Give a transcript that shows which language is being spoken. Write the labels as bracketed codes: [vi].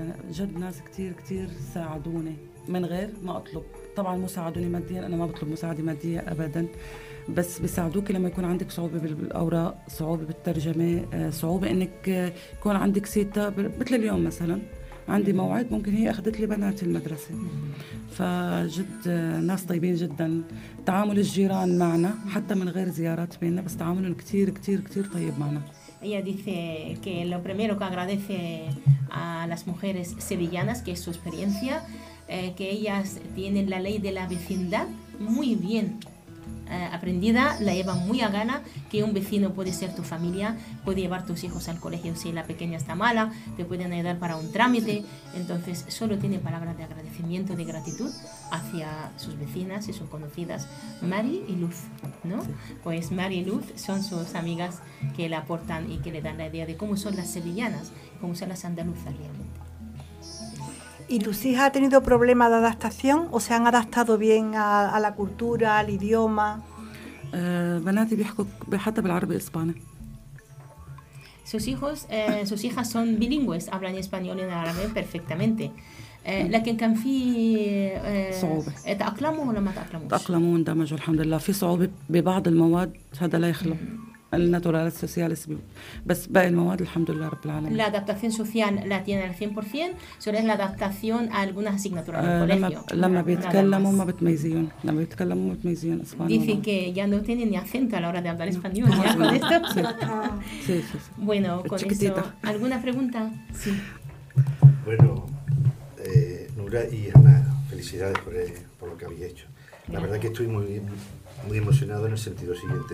[ar] جد ناس كتير كتير ساعدوني من غير ما أطلب طبعا مساعدوني ماديا, أنا ما بطلب مساعدة مادية أبدا, بس بيساعدوك لما يكون عندك صعوبة بالأوراق, صعوبة بالترجمة, صعوبة إنك يكون عندك سيتا. مثل اليوم مثلا عندي موعد, ممكن هي أخذت لي بنات المدرسة. فجد ناس طيبين جدا, تعامل الجيران معنا حتى من غير زيارات بيننا, بس تعاملهم كتير كتير كتير طيب معنا. [es] Ella dice que lo primero que agradece a las mujeres sevillanas, que es su experiencia, que ellas tienen la ley de la vecindad muy bien aprendida, la llevan muy a gana, que un vecino puede ser tu familia, puede llevar tus hijos al colegio si la pequeña está mala, te pueden ayudar para un trámite. Entonces solo tiene palabras de agradecimiento, de gratitud hacia sus vecinas y sus conocidas, Mari y Luz, ¿no? Pues Mari y Luz son sus amigas que le aportan y que le dan la idea de cómo son las sevillanas, cómo son las andaluzas realmente. ¿Y tus hijas han tenido problemas de adaptación o se han adaptado bien a la cultura, al idioma? [ar] بناتي بيحكوا حتى بالعربي إسباني. [es] Sus hijos, sus hijas son bilingües, hablan español y árabe perfectamente. [ar] لكن كان في صعوبة. تأقلموا ولا ما تأقلموش؟ تأقلموا واندمجوا الحمد لله. في صعوبة ببعض المواد, هذا لا يخلو. الناتورال السوسيالس, بس باقي المواد الحمد لله رب العالمين. [es] La adaptación social la tiene al 100%, solo es la adaptación a algunas asignaturas del colegio. [ar] لما بيتكلموا ما بتميزيون, لما بيتكلموا ما بتميزيون اسباني. [es] Dice que ya no tiene ni acento a la hora de hablar español. ¿Ya con esto? Sí, sí, sí. Bueno, con eso, ¿alguna pregunta? Sí. Bueno, Nura y Ana, felicidades por lo que habéis hecho. La verdad que estoy muy bien. Muy emocionado en el sentido siguiente.